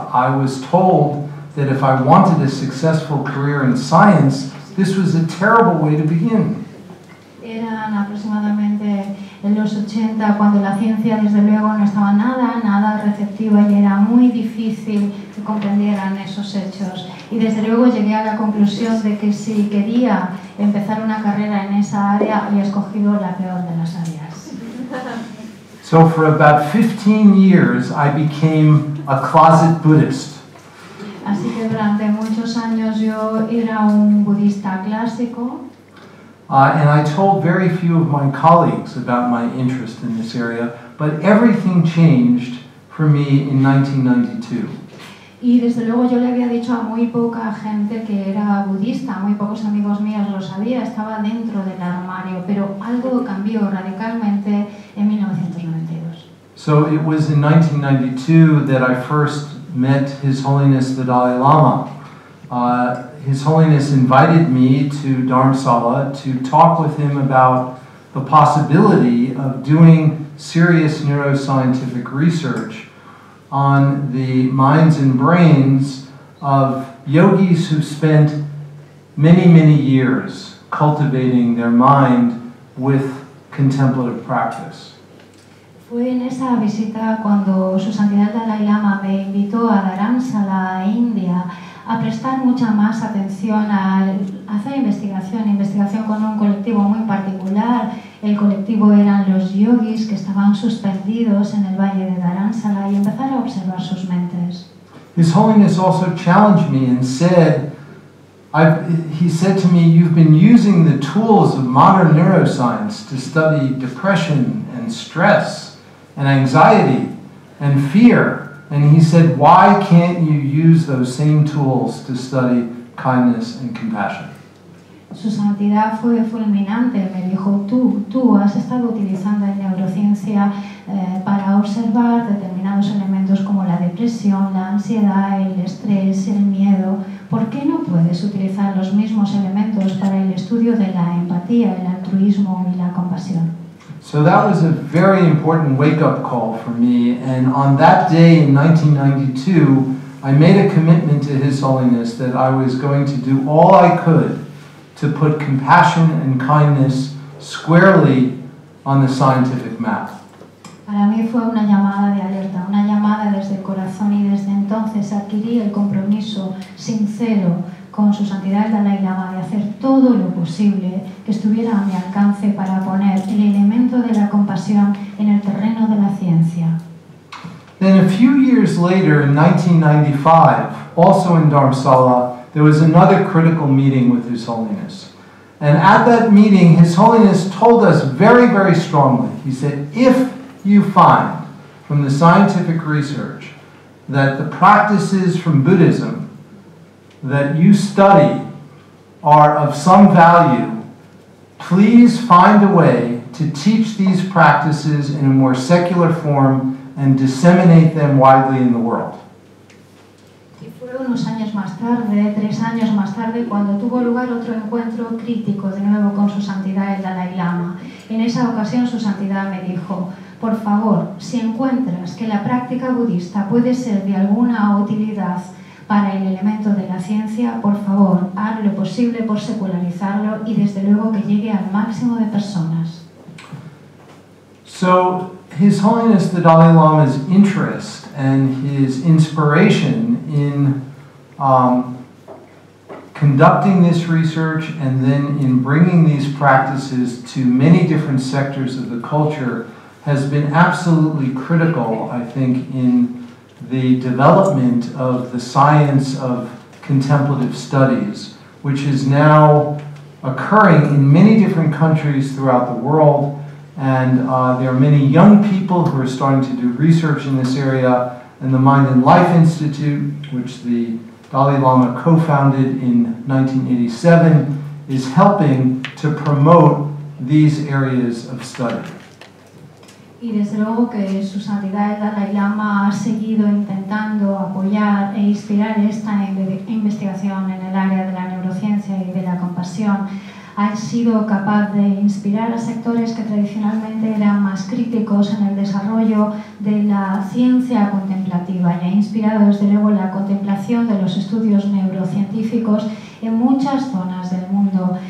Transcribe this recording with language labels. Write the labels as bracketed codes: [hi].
[en] I was told that if I wanted a successful career in science, this was a terrible way to begin. [es] Eran aproximadamente en los 80 cuando la ciencia desde luego no estaba nada receptiva y era muy difícil que comprendieran esos hechos. Y desde luego llegué a la conclusión de que si quería empezar una carrera en esa área, había escogido la peor de las áreas. [en] So for about 15 years I became a closet Buddhist. [es] Así que durante muchos años yo era un budista clásico. [en] And I told very few of my colleagues about my interest in this area, but everything changed for me in 1992. [es] Y desde luego yo le había dicho a muy poca gente que era budista, muy pocos amigos míos lo sabía, estaba dentro del armario, pero algo cambió radicalmente en 1992. [en] So it was in 1992 that I first met His Holiness the Dalai Lama. His Holiness invited me to Dharamsala to talk with him about the possibility of doing serious neuroscientific research on the minds and brains of yogis who spent many, many years cultivating their mind with contemplative practice. [es] Fue en esa visita cuando Su Santidad Dalai Lama me invitó a Dharamsala, India, a prestar mucha más atención a hacer investigación con un colectivo muy particular. El colectivo eran los yogis que estaban suspendidos en el valle de Dharamsala y empezar a observar sus mentes. [en] His Holiness also challenged me and said, he said to me, you've been using the tools of modern neuroscience to study depression and stress and anxiety and fear. And he said, why can't you use those same tools to study kindness and compassion? [es] Su Santidad fue fulminante. Me dijo, tú has estado utilizando la neurociencia para observar determinados elementos como la depresión, la ansiedad, el estrés, el miedo. ¿Por qué no puedes utilizar los mismos elementos para el estudio de la empatía, el altruismo y la compasión? [en] So that was a very important wake-up call for me, and on that day in 1992, I made a commitment to His Holiness that I was going to do all I could to put compassion and kindness squarely on the scientific map. [es] Para mí fue una llamada de alerta, una llamada desde el corazón, y desde entonces adquirí el compromiso sincero con Su Santidad Dalai Lama de hacer todo lo posible que estuviera a mi alcance para poner el elemento de la compasión en el terreno de la ciencia. [en] Then a few years later, in 1995, also in Dharamsala, there was another critical meeting with His Holiness. And at that meeting, His Holiness told us very, very strongly, he said, if you find from the scientific research that the practices from Buddhism that you study are of some value, please find a way to teach these practices in a more secular form and disseminate them widely in the world. [es] Y fue unos años más tarde, tres años más tarde, cuando tuvo lugar otro encuentro crítico de nuevo con Su Santidad el Dalai Lama. En esa ocasión Su Santidad me dijo, por favor, si encuentras que la práctica budista puede ser de alguna utilidad para el elemento de la ciencia, por favor, haz lo posible por secularizarlo y desde luego que llegue al máximo de personas. [en] So, His Holiness the Dalai Lama's interest and his inspiration in conducting this research and then in bringing these practices to many different sectors of the culture has been absolutely critical, I think, in the development of the science of contemplative studies, which is now occurring in many different countries throughout the world. And there are many young people who are starting to do research in this area, and the Mind and Life Institute, which the Dalai Lama co-founded in 1987, is helping to promote these areas of study. [es] Y desde luego que su santidad el Dalai Lama ha seguido intentando apoyar e inspirar esta investigación en el área de la neurociencia y de la compasión. Ha sido capaz de inspirar a sectores que tradicionalmente eran más críticos en el desarrollo de la ciencia contemplativa y ha inspirado desde luego la contemplación de los estudios neurocientíficos en muchas zonas del mundo.